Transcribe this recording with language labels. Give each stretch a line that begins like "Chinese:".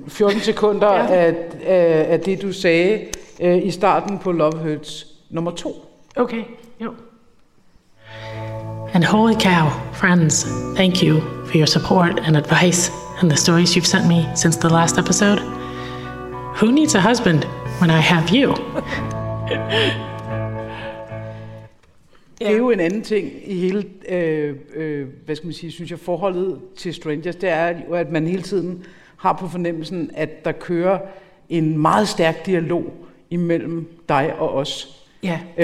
Danish: 14 sekunder af det, du sagde i starten på Love Hurts nummer 2. Okay, jo.
English: And holy cow, friends, thank you for your support and advice and the stories you've sent me since the last episode. Who needs a husband when I have you?
Danish: Ja. Det er jo en anden ting i hele, hvad skal man sige, synes jeg, forholdet til strangers, det er jo, at man hele tiden har på fornemmelsen, at der kører en meget stærk dialog imellem dig og os. Ja.